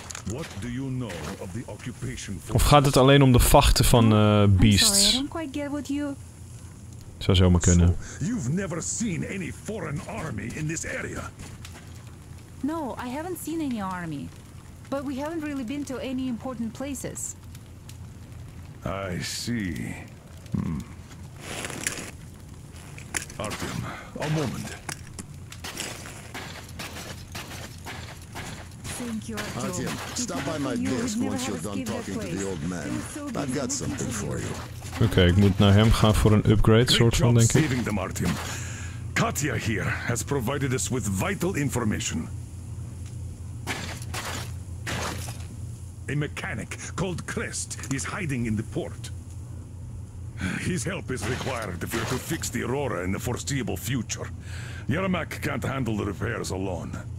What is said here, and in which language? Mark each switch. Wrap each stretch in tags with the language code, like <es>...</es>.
<en>What do you know of the occupation for...</en> <nl>Of gaat het alleen om de vachten van beasts?</nl> <en>I'm sorry, I don't quite get what you...</en> <nl>Zou zomaar kunnen.</nl> <en>So, you've never seen any foreign army in this area. No, I haven't seen any army. But we haven't really been to any important places. I see. Artyom, a moment. Artyom, stop by my desk once you're done talking to the old man. I've got something for you.</en> <nl>Okay, ik moet naar hem gaan voor een upgrade, soort van, denk ik.</nl> <en>Saving them, Artyom. Katya here has provided us with vital information. A mechanic called Crest is hiding in the port. His help is required if we're to fix the Aurora in the foreseeable future. Yermak can't handle the repairs alone.</en>